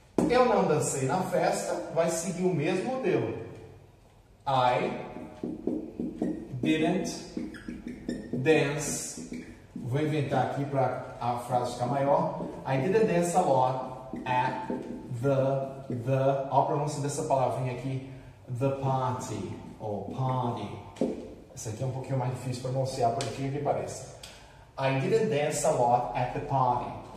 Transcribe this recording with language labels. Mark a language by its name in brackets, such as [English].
[Portuguese] Eu não dancei na festa, vai seguir o mesmo modelo. [English] I didn't dance. [Portuguese] Vou inventar aqui para a frase ficar maior. [English] I didn't dance a lot at the. [Portuguese] Olha a pronúncia dessa palavrinha aqui. [English] The party. [Portuguese] Ou party. Essa aqui é um pouquinho mais difícil de pronunciar, por aqui que pareça. [English] I didn't dance a lot at the party.